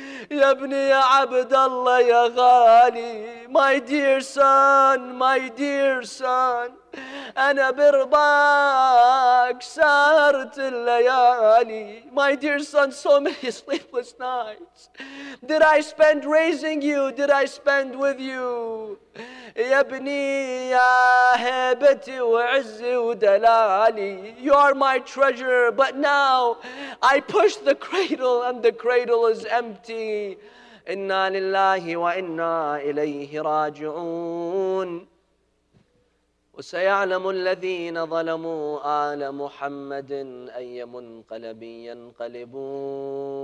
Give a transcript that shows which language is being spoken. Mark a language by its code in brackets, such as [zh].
[ar] Yabni, ya abdallah, ya ghali. [en] My dear son, my dear son. [ar] Ana birbak, sahart al-layali. [en] My dear son, so many sleepless nights. Did I spend raising you? Did I spend with you? [ar] يا ابني يا هبتي وعزي ودلالي. [en] You are my treasure, but now I push the cradle and the cradle is empty. [ar] إنا لله وإنا إليه راجعون. وسيعلم الذين ظلموا آل محمد أي منقلب ينقلبون.